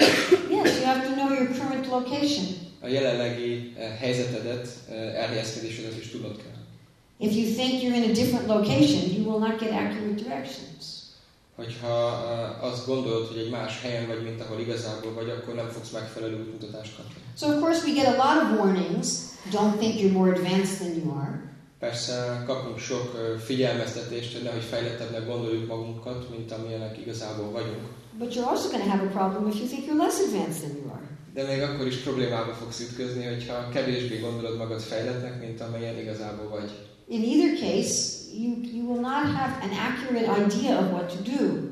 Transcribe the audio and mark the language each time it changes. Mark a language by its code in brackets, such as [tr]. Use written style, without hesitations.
[en] Yes, you have to know your current location. [hu] A jelenlegi helyzetedet, elhelyezkedésedet is tudnod kell. [en] If you think you're in a different location, you will not get accurate directions. [hu] Hogyha azt gondolod, hogy egy más helyen vagy, mint ahol igazából vagy, akkor nem fogsz megfelelő útmutatást kapni. [en] So of course we get a lot of warnings. Don't think you're more advanced than you are. [hu] Persze kapunk sok figyelmeztetést, hogy nehogy fejlettebbnek gondoljuk magunkat, mint amilyenek igazából vagyunk. [en] But you're also going to have a problem if you think you're less advanced than you are. [hu] De még akkor is problémába fogsz ütközni, hogyha kevésbé gondolod magad fejlettnek, mint amilyen igazából vagy. [en] In either case, you will not have an accurate idea of what to do.